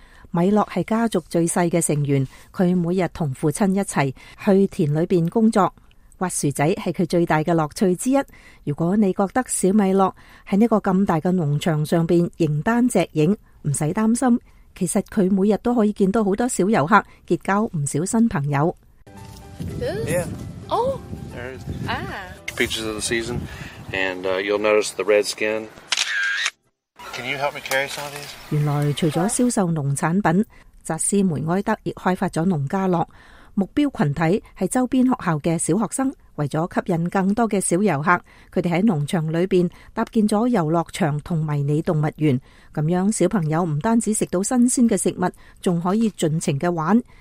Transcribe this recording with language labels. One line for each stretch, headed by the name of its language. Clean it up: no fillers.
Cantonese: 米洛是家族最小的成员，他每日同父亲一起去田里面工作。挖薯仔是他最大的乐趣之一。如果你觉得小米洛在这个这么大的农场上面形单只影，不用担心，其实他每日都可以见到很多小游客，结交不少新朋友。
English: Yeah. Oh. There is. Ah. Peaches of the season, and you'll notice the red skin. Can you help me carry some of these?
Cantonese: 原来除了销售农产品，扎斯梅埃德亦开发了农家乐，目标群体是周边学校的小学生。为了吸引更多的小游客，他们在农场里面搭建了游乐场和迷你动物园，这样小朋友不单止吃到新鲜的食物，还可以尽情的玩。